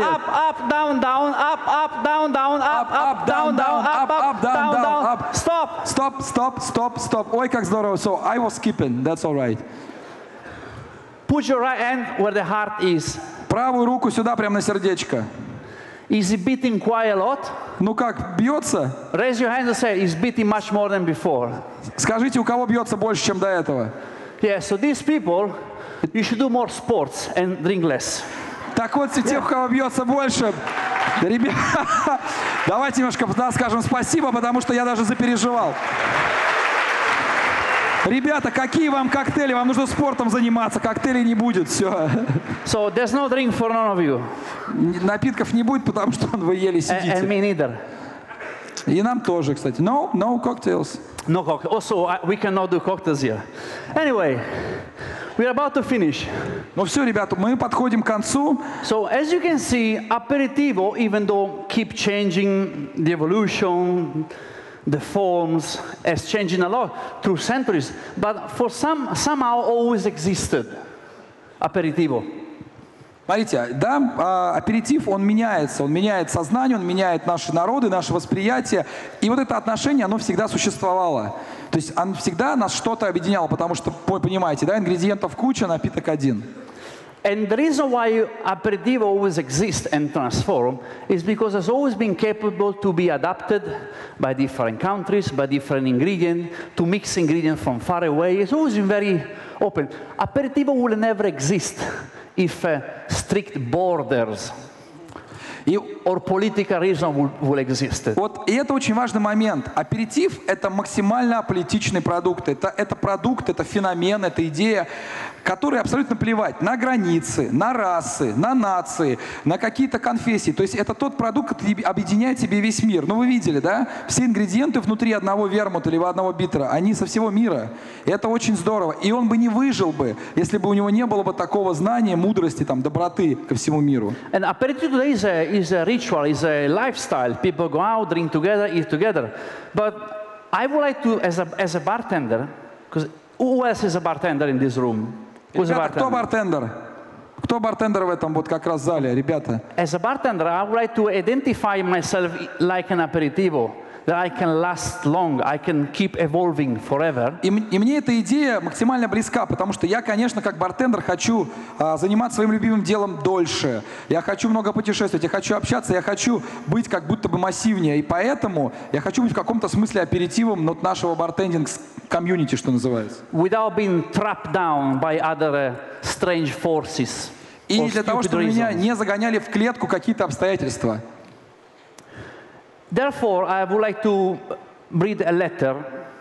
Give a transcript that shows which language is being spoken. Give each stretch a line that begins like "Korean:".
English: up, up, down, down, up, up, down, down, up, up, down, down, up, up, up, down, down, up, stop, stop, stop, stop, stop,
Russian: ой, как здорово,
English: so I was skipping, that's all right. Put your right hand where the heart is.
Russian: Правую руку сюда, прямо на сердечко.
English: Is it beating quite a lot?
Russian: Ну как, бьется?
English: Raise your hand and say, it's beating much more than before.
Russian: Скажите, у кого бьется больше, чем до этого?
English: Yeah, so these people, you should do more sports and drink less.
Russian: Так вот, yeah. Тех, у кого бьется больше. Да, ребята, давайте немножко скажем спасибо, потому что я даже запереживал. Ребята, какие вам коктейли? Вам нужно спортом заниматься, коктейлей не будет, все.
English: So there's no drink for none of you.
Russian: Напитков не будет, потому что вы еле сидите.
English: And me neither.
Russian: И нам тоже, кстати.
English: No, no cocktails. No cocktails. Also, we cannot do cocktails here. Anyway, we are about to finish.
Russian: Ну все, ребята, мы подходим к концу.
English: So, as you can see, aperitivo, even though keep changing the evolution, the forms has changed a lot through centuries, but for some somehow always existed. Aperitivo.
Russian: Смотрите, да, аперитив, он меняет сознание, он меняет наши народы, наше восприятие. И вот это отношение, оно всегда существовало. То есть оно всегда нас что-то объединяло, потому что, понимаете, да, ингредиентов куча, напиток один.
English: And the reason why aperitivo always exists and transform is because it's always been capable to be adapted by different countries, by different ingredients, to mix ingredients from far away. It's always been very open. Aperitivo will never exist if strict borders or political reason will exist.
Russian: Вот, и это очень важный момент. Аперитив – это максимально аполитичный продукт. Это продукт, это феномен, это идея, которой абсолютно плевать на границы, на расы, на нации, на какие-то конфессии. То есть это тот продукт, который объединяет тебе весь мир. Ну вы видели, да? Все ингредиенты внутри одного вермута или одного битера, они со всего мира. И это очень здорово. И он бы не выжил бы, если бы у него не было бы такого знания, мудрости, там, доброты ко всему миру.
English: And aperitif today is a ritual, is a lifestyle. People go out, drink together, eat together. But I would like to, as a bartender, because who else is a bartender in this room? Who's a bartender?
Russian: Кто бартендер? Кто бартендер в этом вот как раз зале, ребята?
English: As a bartender, I would like to identify myself like an aperitivo, that I can last long, I can keep evolving forever.
Russian: И мне эта идея максимально близка, потому что я, конечно, как бартендер хочу заниматься своим любимым делом дольше. Я хочу много путешествовать, я хочу общаться, я хочу быть как будто бы массивнее. И поэтому я хочу быть в каком-то смысле аперитивом от нашего бартендинг-комьюнити, что называется.
English: Without being trapped down by other strange forces.
Russian: И для того, чтобы меня не загоняли в клетку какие-то обстоятельства.
English: Therefore, I would like to read a letter.